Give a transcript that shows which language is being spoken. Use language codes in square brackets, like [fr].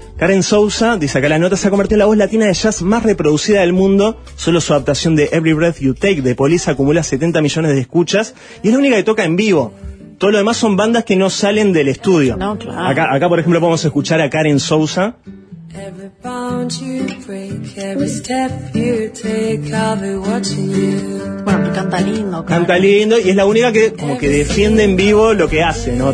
[es] Karen Souza, dice acá la nota, se ha convertido en la voz latina de jazz más reproducida del mundo. Solo su adaptación de Every Breath You Take de Police acumula 70 millones de escuchas y es la única que toca en vivo. Todo lo demás son bandas que no salen del estudio. No, claro. Acá, por ejemplo, podemos escuchar a Karen Souza. [en] Every bound you break, every step you take, I'll be watching you. [es] Bueno, pero canta lindo, claro. Canta lindo y es la única que como que defiende en vivo lo que hace, ¿no?